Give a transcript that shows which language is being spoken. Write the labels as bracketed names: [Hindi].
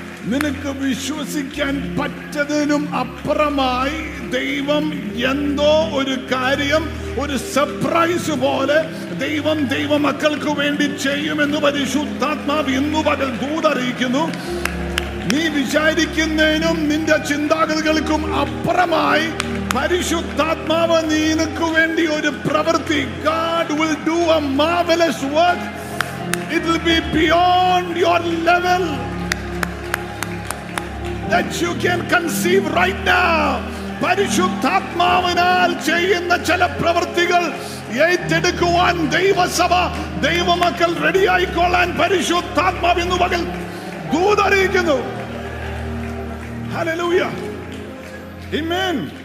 [Malayalam] നിനക്ക് വിശ്വസിക്കാൻ പറ്റതിനും അപ്പുറമായി ദൈവം എന്തോ ഒരു കാര്യം ഒരു സർപ്രൈസ് പോലെ ദൈവം ദൈവമക്കൾക്ക് വേണ്ടി ചെയ്യുമെന്ന് പരിശുദ്ധാത്മാവ് ഇന്നു പകൽ ദൂത് അറിയിക്കുന്നു. നീ വിചാരിക്കുന്നതിനും നിന്റെ ചിന്താഗതികൾക്കും അപ്പുറമായി പരിശുദ്ധാത്മാവ് നിനക്ക് വേണ്ടി ഒരു പ്രവൃത്തി. [English] God will do a marvelous work. It will be beyond your level that you can conceive right now. [Malayalam] പരിശുദ്ധാത്മാവിനാൽ ചെയ്യുന്ന ചില പ്രവൃത്തികൾ ഏറ്റെടുക്കുവാൻ ദൈവസഭ ദൈവമക്കൾ റെഡി ആയിക്കൊള്ളാൻ പരിശുദ്ധാത്മാവ് ഇന്ന് പകൽ ദൂത് അറിയിക്കുന്നു. [English] Hallelujah. Amen.